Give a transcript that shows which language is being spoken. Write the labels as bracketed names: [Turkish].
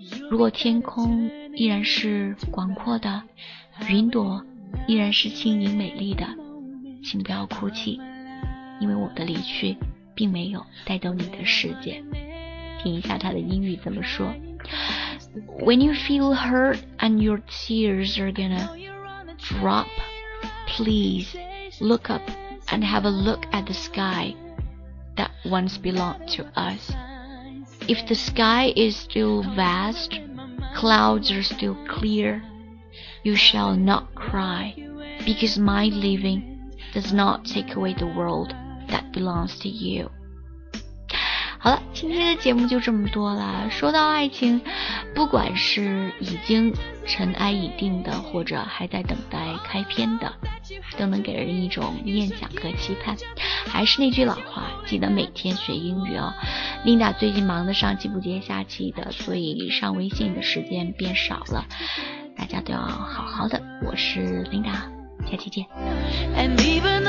[Chinese] 如果天空依然是广阔的，云朵依然是轻盈美丽的，请不要哭泣，因为我的离去并没有带走你的世界。听一下他的英语怎么说。 [English] When you feel hurt and your tears are gonna drop, please look up and have a look at the sky that once belonged to us. If the sky is still vast, clouds are still clear, you shall not cry, because my leaving does not take away the world that belongs to you. [Chinese] 好了，今天的节目就这么多了。说到爱情，不管是已经尘埃已定的，或者还在等待开篇的，都能给人一种念想和期盼。还是那句老话，记得每天学英语哦。琳达最近忙得上气不接下气的，所以上微信的时间变少了，大家都要好好的。我是琳达，下期见。And